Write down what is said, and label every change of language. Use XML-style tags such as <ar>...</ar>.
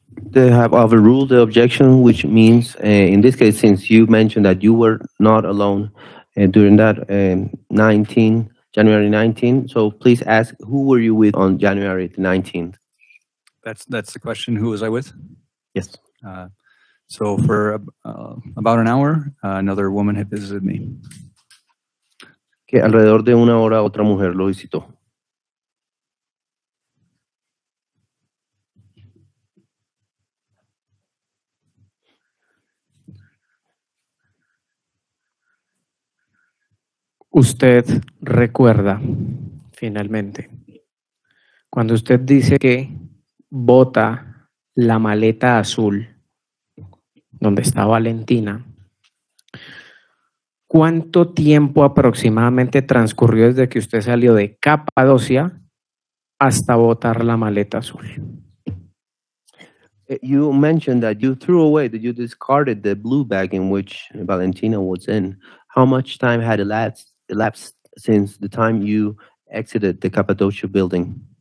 <en>They have overruled the objection, which means, in this case, since you mentioned that you were not alone during that January 19th, so please ask, who were you with on January the 19th? That's the question, who was I with? Yes. So for about an hour, another woman had visited me.</en> <es>Que alrededor de una hora otra mujer lo visitó. Usted recuerda, finalmente, cuando usted dice que bota la maleta azul donde está Valentina, ¿cuánto tiempo aproximadamente transcurrió desde que usted salió de Capadocia hasta botar la maleta azul?</es> <en>You mentioned that you threw away, that you discarded the blue bag in which Valentina was in. How much time had elapsed since the time you exited the Cappadocia building?</en>